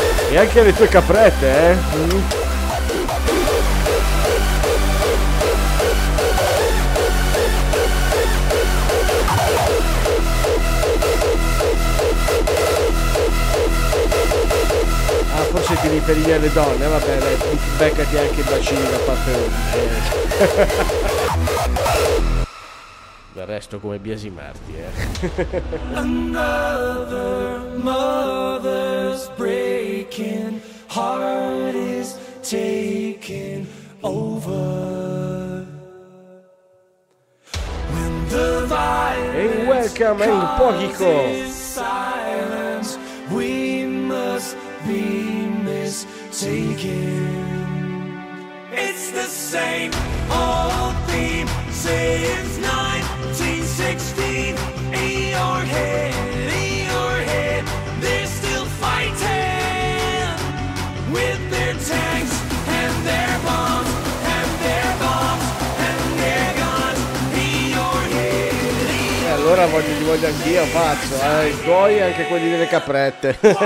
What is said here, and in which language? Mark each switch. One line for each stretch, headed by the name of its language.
Italian: E anche le tue caprette, eh? Ah, forse ti riferivi alle donne, vabbè, dai, beccati anche i bacini da parte loro. Resto come biasimarti, eh.
English: Another mother's breaking heart is taking over. When the violence welcome in Pogico. Silence, we must be mistaken. It's the same old theme since 1916. In your head, in your head, they're still fighting with their tanks and their bombs and their bombs and their guns. In your head, in your head.
Italian: Allora voglio anch'io, pazzo, i tuoi e anche quelli delle caprette.